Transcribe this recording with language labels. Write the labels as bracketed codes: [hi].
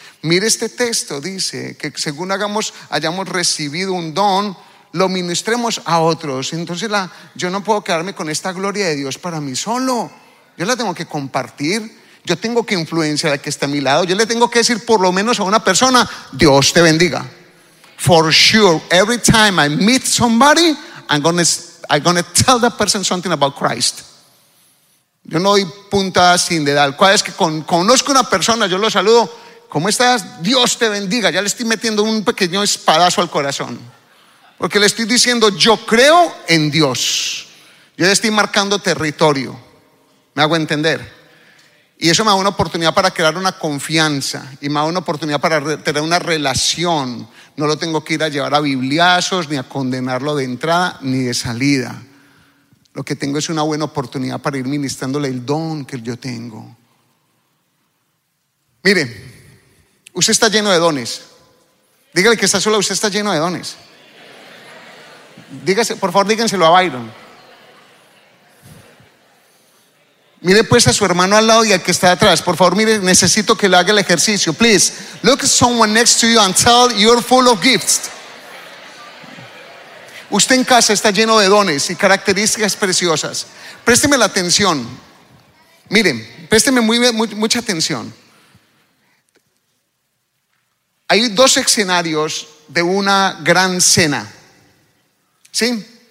[es] Mire este texto, dice que según hayamos recibido un don, lo ministremos a otros. Entonces yo no puedo quedarme con esta gloria de Dios para mí solo. Yo la tengo que compartir. Yo tengo que influenciar al que está a mi lado. Yo le tengo que decir por lo menos a una persona: Dios te bendiga. [en] For sure, every time I meet somebody, I'm gonna tell that person something about Christ. [es] Yo no doy puntadas sin dedal. Cada vez que conozco a una persona, yo lo saludo: ¿cómo estás? Dios te bendiga. Ya le estoy metiendo un pequeño espadazo al corazón, porque le estoy diciendo: yo creo en Dios. Yo le estoy marcando territorio. ¿Me hago entender? Y eso me da una oportunidad para crear una confianza, y me da una oportunidad para tener una relación. No lo tengo que ir a llevar a bibliazos, ni a condenarlo de entrada ni de salida. Lo que tengo es una buena oportunidad para ir ministrándole el don que yo tengo. Mire, usted está lleno de dones. Dígale que está solo, usted está lleno de dones. Dígase, por favor, díganselo a Byron. Mire pues a su hermano al lado y al que está atrás. Por favor, mire, necesito que le haga el ejercicio. [en] Please, look at someone next to you and tell you're full of gifts. [es] Usted en casa está lleno de dones y características preciosas. Présteme la atención. Miren, présteme mucha atención. Hay dos escenarios de una gran cena. ¿Sí?